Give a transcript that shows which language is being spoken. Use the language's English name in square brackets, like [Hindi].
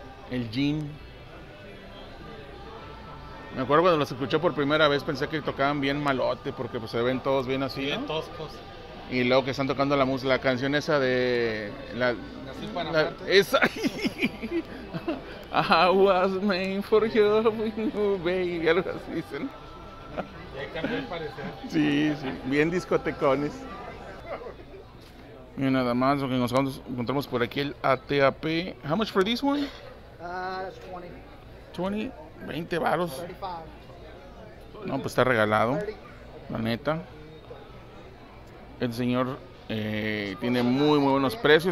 [Spanish] El jean. Me acuerdo cuando los escuché por primera vez, pensé que tocaban bien malote, porque pues se ven todos bien así, bien, ¿no? Toscos. Y luego que están tocando la canción esa de la, así para la esa. [English] I was made for you, baby, [Spanish] algo así dicen. Ya cambió el parecer. Sí, sí, bien discotecones. Y nada más lo que nos encontramos por aquí, el ATAP. [English] How much for this one? It's 20. [Spanish] 20. 20 varos. No, pues está regalado, la neta. El señor tiene muy, muy buenos precios.